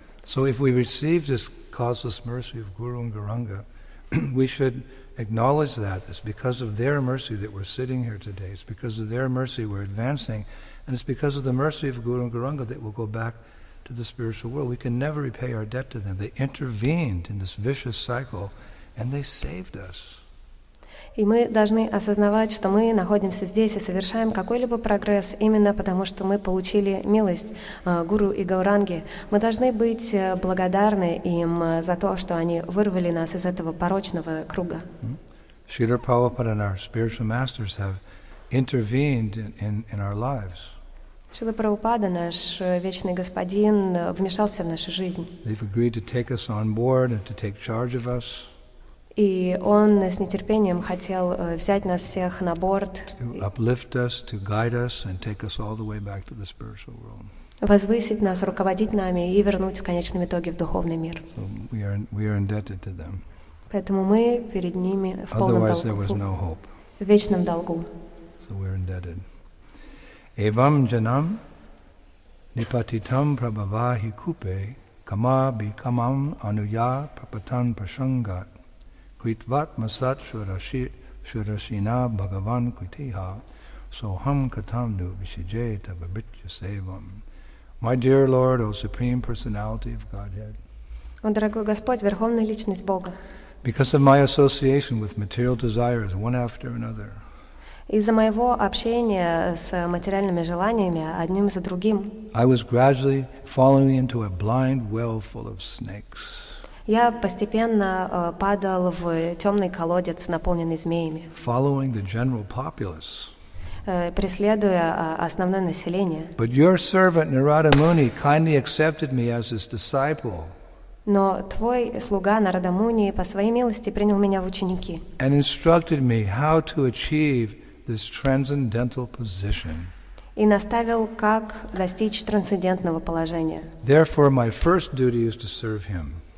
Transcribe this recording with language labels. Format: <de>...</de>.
<en>So if we receive this causeless mercy of Guru and Gauranga, we should acknowledge that it's because of their mercy that we're sitting here today. It's because of their mercy we're advancing. And it's because of the mercy of Guru and Gauranga that we'll go back to the spiritual world. We can never repay our debt to them. They intervened in this vicious cycle and they saved us.</en> <ru>И мы должны осознавать, что мы находимся здесь и совершаем какой-либо прогресс именно потому, что мы получили милость Гуру и Гауранги. Мы должны быть благодарны им за то, что они вырвали нас из этого порочного круга.</ru> <en>Srila Prabhupada and our spiritual masters have intervened in our lives.</en> <ru>Шрила Прабхупада, наш вечный господин, вмешался в нашу жизнь.</ru> <en>They've agreed to take us on board and to take charge of us.</en> <ru>И он с нетерпением хотел взять нас всех на борт.</ru> <en>To uplift us, to guide us, and take us all the way back to the spiritual world.</en> <ru>Возвысить нас, руководить нами и вернуть в конечном итоге в духовный мир.</ru> <en>So we are indebted to them.</en> <ru>Поэтому мы перед ними в полном</ru> <en>Otherwise,</en> <ru>долгу.</ru> <en>There was no hope.</en> <ru>В вечном долгу.</ru> <en>So we are indebted.</en> <sa>Evam janam nipatitam prabhavahi kupe kama bikamam anuya prapatan prasangat kritvat masat shurashina bhagavan kritiha soham katam nu vishijeta babitya sevam.</sa> <en>My dear Lord, O Supreme Personality of Godhead,</en> <ru>O дорогой Господь, Верховная Личность Бога,</ru> <en>because of my association with material desires one after another,</en> <ru>из-за моего общения с материальными желаниями одним за другим,</ru> <en>I was gradually falling into a blind well full of snakes.</en> <ru>Я постепенно падал в темный колодец, наполненный змеями.</ru> <en>Following the general populace.</en> <ru>Преследуя основное население.</ru> <en>But your servant Narada Muni kindly accepted me as his disciple.</en> <ru>Но твой слуга Нарада Муни по своей милости принял меня в ученики.</ru> <en>And instructed me how to achieve this transcendental position.</en> <ru>И наставил, как достичь трансцендентного положения.</ru> <en>Therefore, my first duty is to serve him.</en>